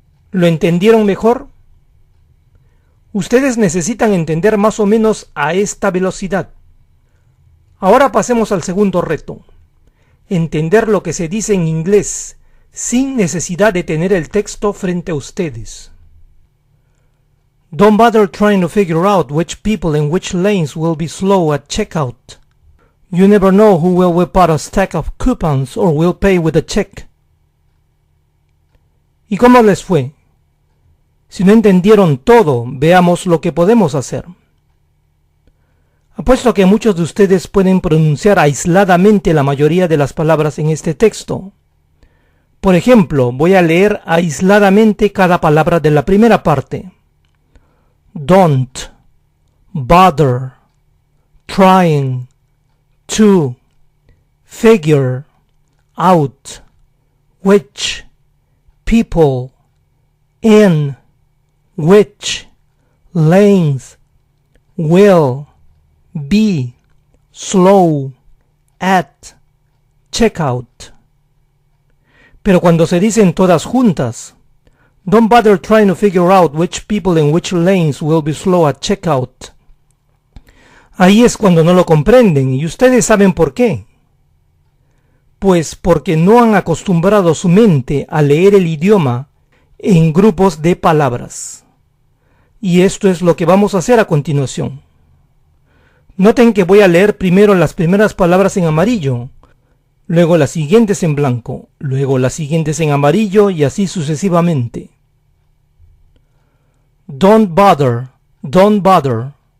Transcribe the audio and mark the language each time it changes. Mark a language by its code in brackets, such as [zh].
[es] ¿Lo entendieron mejor? Ustedes necesitan entender más o menos a esta velocidad. Ahora pasemos al segundo reto. Entender lo que se dice en inglés sin necesidad de tener el texto frente a ustedes. [en] Don't bother trying to figure out which people in which lanes will be slow at checkout. You never know who will whip out a stack of coupons or will pay with a check. [es] ¿Y cómo les fue? Si no entendieron todo, veamos lo que podemos hacer. Apuesto que muchos de ustedes pueden pronunciar aisladamente la mayoría de las palabras en este texto. Por ejemplo, voy a leer aisladamente cada palabra de la primera parte. [en] Don't, bother, trying, to, figure, out, which, people, in, which, length, will, be, slow, at, checkout. [es] Pero cuando se dicen todas juntas, [en] don't bother trying to figure out which people in which lanes will be slow at checkout. [es] Ahí es cuando no lo comprenden, y ustedes saben por qué. Pues porque no han acostumbrado su mente a leer el idioma en grupos de palabras. Y esto es lo que vamos a hacer a continuación. Noten que voy a leer primero las primeras palabras en amarillo, luego las siguientes en blanco, luego las siguientes en amarillo y así sucesivamente. [en] Don't bother, don't bother.